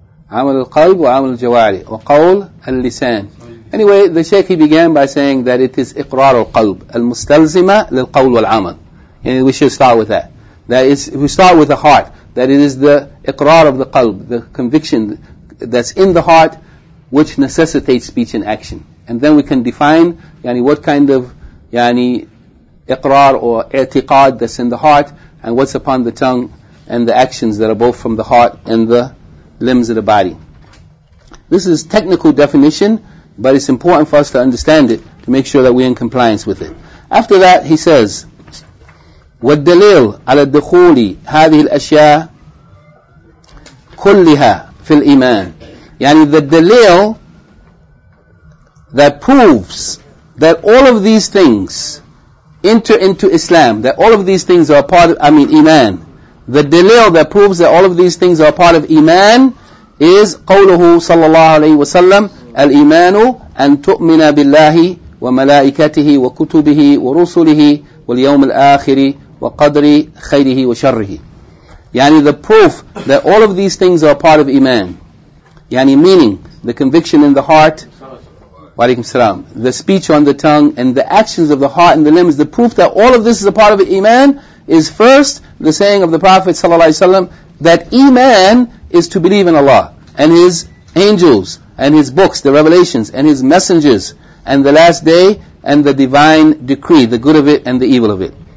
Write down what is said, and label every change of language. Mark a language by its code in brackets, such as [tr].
[ar] عمل القلب وعمل الجواري وقول اللسان. [en] Anyway, the Shaykh, he began by saying that it is [ar] إقرار القلب المستلزمة للقول والعمل. [en] And we should start with that. That is, we start with the heart. That it is the إقرار of the قلب, the conviction that's in the heart, which necessitates speech and action. And then we can define, yani, what kind of, yani, إقرار or اعتقاد that's in the heart, and what's upon the tongue, and the actions that are both from the heart and the limbs of the body. This is technical definition, but it's important for us to understand it to make sure that we're in compliance with it. After that, he says, [ar] والدليل على دخول هذه الأشياء كلها في الإيمان. [en] يعني the دليل that proves that all of these things enter into Islam, that all of these things are part of, I mean, iman. The dalil that proves that all of these things are part of iman is [ar] قوله صلى الله عليه وسلم الإيمان أن تؤمن بالله وملائكته وكتبه ورسله واليوم الآخر وقدر خيره وشره. [en] يعني the proof that all of these things are part of iman, يعني meaning the conviction in the heart, [ar] وعليكم السلام, [en] the speech on the tongue and the actions of the heart and the limbs, the proof that all of this is a part of iman is first the saying of the Prophet [ar] صلى الله عليه وسلم [en] that iman is to believe in Allah and His angels and His books, the revelations and His messengers and the last day and the divine decree, the good of it and the evil of it.